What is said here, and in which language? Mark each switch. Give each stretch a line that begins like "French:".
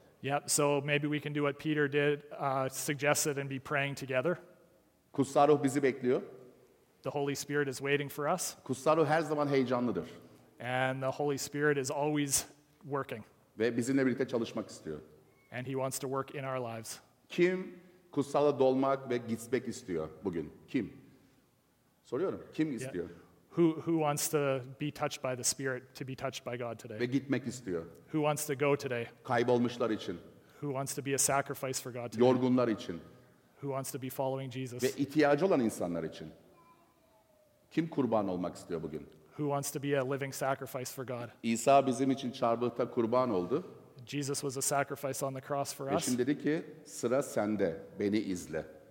English: Yeah, so maybe we can do what Peter did, suggested and be praying together.
Turkish: Kutsal Ruh bizi bekliyor.
English: The Holy Spirit is waiting for us.
Turkish: Kutsal Ruh her zaman heyecanlıdır.
English: And the Holy Spirit is always working.
Turkish: Ve bizimle birlikte çalışmak istiyor.
English: And he wants to work in our lives.
Turkish: Kim Kutsal Ruh'a dolmak ve gitmek istiyor bugün? Kim? Soruyorum. Kim istiyor? Yeah.
English: Who wants to be touched by the Spirit, to be touched by God today?
Turkish: Ve gitmek istiyor.
English: Who wants to go today?
Turkish: Kaybolmuşlar için.
English: Who wants to be a sacrifice for God today?
Turkish: Yorgunlar için.
English: Who wants to be following Jesus?
Turkish: Ve ihtiyacı olan insanlar için. Kim kurban olmak istiyor bugün?
English: Who wants to be a living sacrifice for God?
Turkish: İsa bizim için çarmıhta kurban oldu.
English: Jesus was a sacrifice on the cross for us.
Turkish: Ve şimdi dedi ki, sıra sende, beni izle.